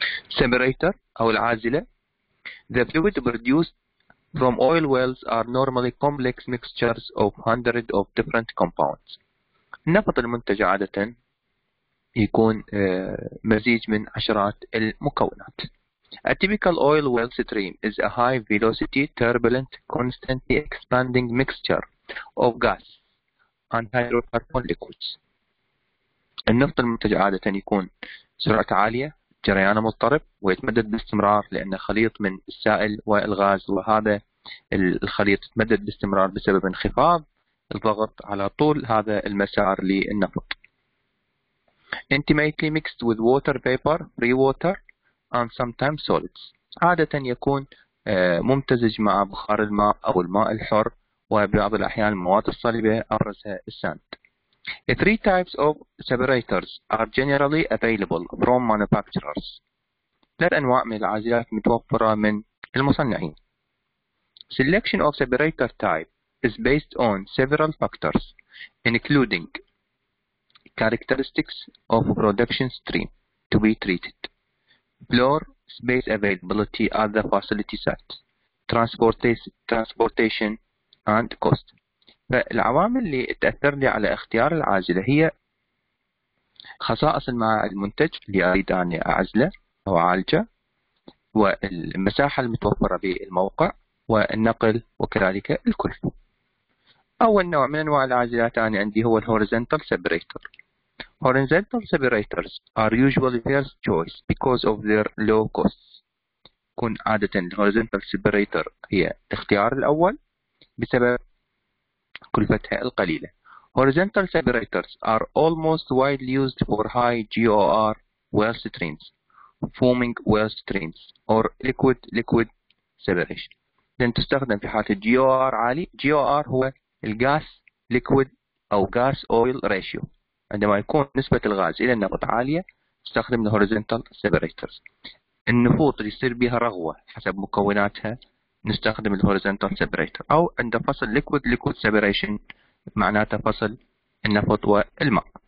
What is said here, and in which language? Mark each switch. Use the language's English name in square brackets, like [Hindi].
[Arabic] separator أو العازلة. [English] The fluid produced from oil wells are normally complex mixtures of hundreds of different compounds. [Arabic] النفط المنتج عادة يكون مزيج من عشرات المكونات. [English] A typical oil well stream is a high velocity, turbulent, constantly expanding mixture of gas and hydrocarbon liquids. [Arabic] النفط المنتج عادة يكون سرعة عالية، جريانه مضطرب، ويتمدد باستمرار لأنه خليط من السائل والغاز، وهذا الخليط يتمدد باستمرار بسبب انخفاض الضغط على طول هذا المسار للنفط. [English] Intimately mixed with water vapor, free water, and sometimes solids. [Arabic] عادة يكون ممتزج مع بخار الماء أو الماء الحر، وبعض الأحيان المواد الصلبة أبرزها الساند. [English] Three types of separators are generally available from manufacturers. [Arabic] ثلاث أنواع من العازلات متوفرة من المصنعين. [English] Selection of separator type is based on several factors, including characteristics of production stream to be treated, floor space availability at the facility site, transportation and cost. [Arabic] فالعوامل اللي تأثر لي على اختيار العازلة هي خصائص المنتج اللي أريد أن أعزله أو أعالجه، والمساحة المتوفرة بالموقع، والنقل، وكذلك الكلفة. أول نوع من أنواع العازلات أنا عندي هو الـ Horizontal Separator. [English] Horizontal Separators are usually first choice because of their low costs. [Arabic] كون عادة الـ Horizontal Separator هي الاختيار الأول بسبب كلفتها القليلة. [English] Horizontal separators are almost widely used for high GOR well streams, foaming well streams, or liquid-liquid separation. [Arabic] لن تستخدم في حالة GOR عالي. GOR هو الغاز liquid أو gas oil ratio. عندما يكون نسبة الغاز إلى النفط عالية، تستخدم horizontal separators. النفوط اللي يصير بها رغوة حسب مكوناتها، نستخدم الـ Horizontal Separator، أو عند فصل Liquid-Liquid Separation معناته فصل النفط والماء.